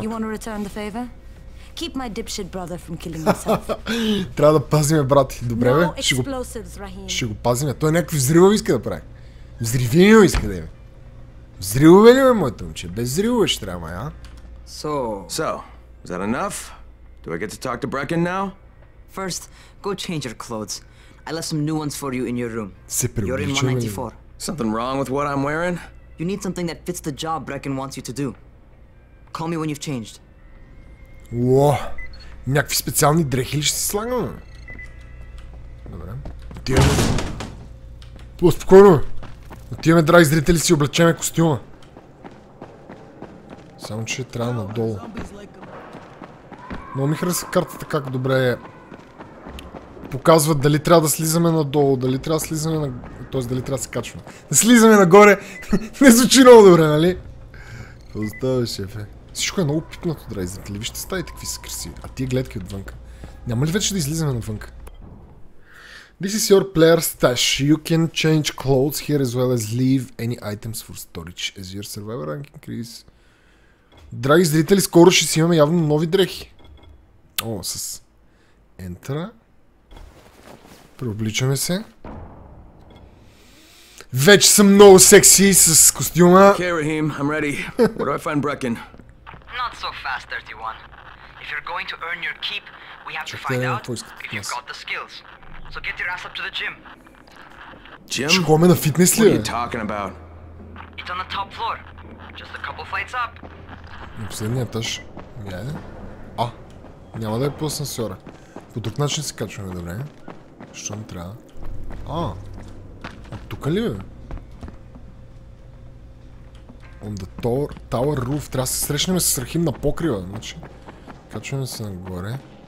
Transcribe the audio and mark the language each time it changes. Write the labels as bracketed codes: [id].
[en] You want to return the favor? Keep my dipshit brother from killing himself. [bg] Трябва да пазиме брат. Добре, бе. Ще го пазиме. Той някакви взривове иска да прави. Взривини го иска да има. Взривове ли, бе, моето момче? Без взривове ще трябва, а? [en] So, is that enough? Do I get to talk to Brecken now? First, go change your clothes. I left some new ones for you in your room. Се You're in 194. Something wrong with what I'm wearing? You need something that fits the job Brecken wants you to do. Call me when you've changed. Уо! [bg] Някакви специални дрехи ли ще си слагам? Добре. Отиваме. По-спокойно! Отиваме, драги зрители, си облечеме костюма. Само че трябва надолу. Много ми харесва картата как добре е. Показват дали трябва да слизаме надолу, дали трябва да слизаме на... Тоест, дали трябва да се качваме. Да слизаме нагоре, не звучи много добре, нали? Остава, шефе. Всичко е много пипнато, драй, зрители. Вижте стаите, какви са красиви. А тия гледки отвънка. Няма ли вече да излизаме навънка? [en] This is your player stash. You can change clothes here as well as leave any items for storage as your survivor rank increase. [bg] Драги зрители, скоро ще си имаме явно нови дрехи. О, с... Ентера. Преобличаме се. Вече съм много секси с костюма. [en] Okay, Raheem, I'm ready. Where do I find Brecken? Not so fast, 31. If you're going to earn your keep, we have to find out if you've got the skills. So get your ass up to the gym. Gym? [bg] Ще ходим на фитнес ли? [en] What are you talking about? It's on the top floor. Just a couple flights up. [bg] На последния етаж. Гляде. А, няма да е по асансьора. По друг начин се качваме, добре. Що не трябва? А, от тук ли бе? [en] On the tower, tower roof. [bg] Трябва да се срещнем с Рахим на покрива. Значи, качваме се нагоре.